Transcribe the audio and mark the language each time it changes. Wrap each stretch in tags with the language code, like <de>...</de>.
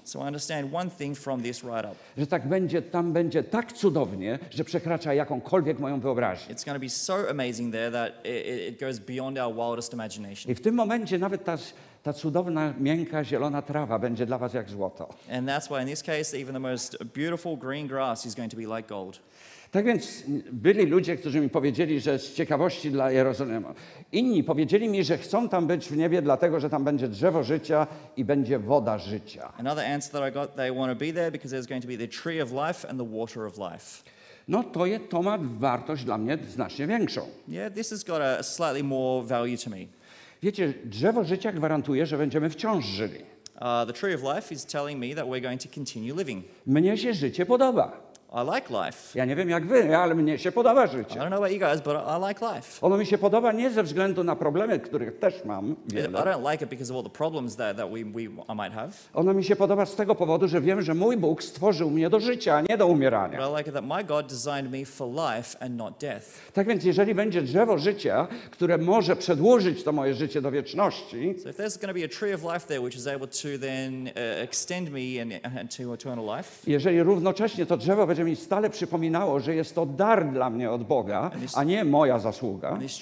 <en>So I understand one thing from this write-up.</en> <pl>Że tak będzie, tam będzie tak cudownie, że przekracza jakąkolwiek moją wyobraźnię.</pl> <en>It's going to be so amazing there that it goes beyond our wildest imagination.</en> <pl>I w tym momencie nawet ta cudowna, miękka, zielona trawa będzie dla was jak złoto.</pl> <en>And that's why in this case even the most beautiful green grass is going to be like gold.</en> <pl>Tak więc byli ludzie, którzy mi powiedzieli, że z ciekawości dla Jerozolimy. Inni powiedzieli mi, że chcą tam być w niebie, dlatego że tam będzie drzewo życia i będzie woda życia.</pl> <en>Another answer that I got, they want to be there because there's going to be the tree of life and the water of life.</en> <pl>No to ma wartość dla mnie znacznie większą.</pl> <en>Yeah, this has got a slightly more value to me.</en> <pl>Wiecie, drzewo życia gwarantuje, że będziemy wciąż żyli.</pl> <en>The tree of life is telling me that we're going to continue living.</en> <pl>Mnie się życie podoba.</pl> <en>I like life.</en> <pl>Ja nie wiem jak wy, ale mnie się podoba życie.</pl> <en>I don't know about you guys, but I like life.</en> <pl>Ono mi się podoba nie ze względu na problemy, których też mam wiele.</pl> <en>I don't like it because of all the problems that I might have.</en> <pl>Ono mi się podoba z tego powodu, że wiem, że mój Bóg stworzył mnie do życia, a nie do umierania.</pl> <en>But I like it that my God designed me for life and not death.</en> <pl>Tak więc, jeżeli będzie drzewo życia, które może przedłużyć to moje życie do wieczności.</pl> <en>So if there's going to be a tree of life there, which is able to then extend me and to eternal life.</en> <pl>Jeżeli równocześnie to drzewo będzie mi stale przypominało, że jest to dar dla mnie od Boga, a nie moja zasługa.</pl>